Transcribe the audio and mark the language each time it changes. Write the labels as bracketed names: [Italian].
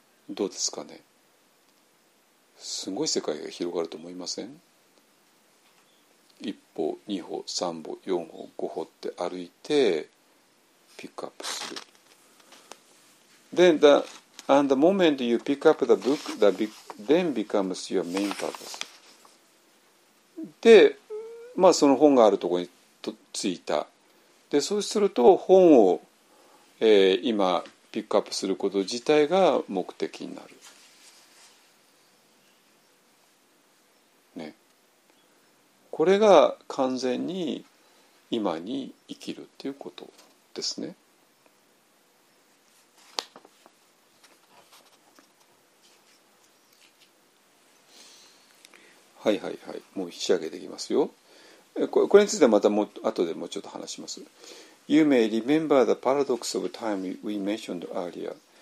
[Japanese] どうですかね。すごい世界が広がると思いません？一歩、二歩、三歩、四歩、五歩って歩いてピックアップする。 [English] Then the, and the moment you pick up the book, the big, then becomes your main purpose. [Japanese] で、まあその本があるところに着いた。で、そうすると本を、今ピックアップすること自体が目的になる、ね、これが完全に今に生きるっていうことですね。はいはいはい、もう引き上げていきますよ。これについてはまたも後でもうちょっと話します。 [English] You may remember the paradox of time we mentioned earlier.